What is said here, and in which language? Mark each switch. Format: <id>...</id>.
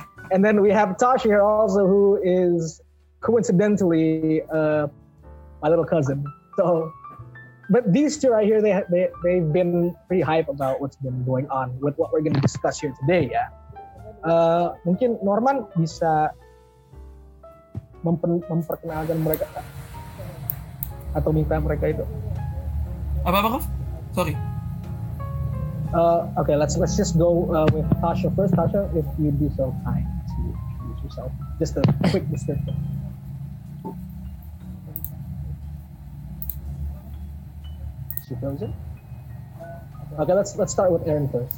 <en>and then we have Tasha here also, who is coincidentally my little cousin. So, but these two right here, they've been pretty hype about what's been going on with what we're going to discuss here today.</en> <id>Yeah, mungkin Norman bisa memperkenalkan mereka atau minta mereka itu. Apa kok? Sorry.</id> <en>Okay, let's just go with Tasha first. Tasha, if you'd be so kind to introduce yourself, just a quick description. Frozen. Okay, let's start with Aaron first.</en>